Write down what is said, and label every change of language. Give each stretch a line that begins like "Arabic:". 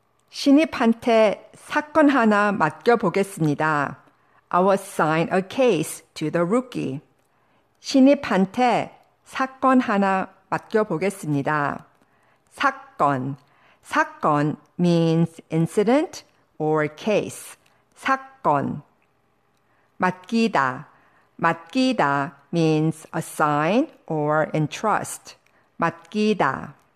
Korean: 신입한테 사건 하나 맡겨보겠습니다.
English: I will assign a case to the rookie.
Korean: 신입한테 사건 하나 맡겨보겠습니다.
English: 사건. 사건 means incident or case. 사건. 맡기다. 맡기다 means assign or entrust. 맡기다.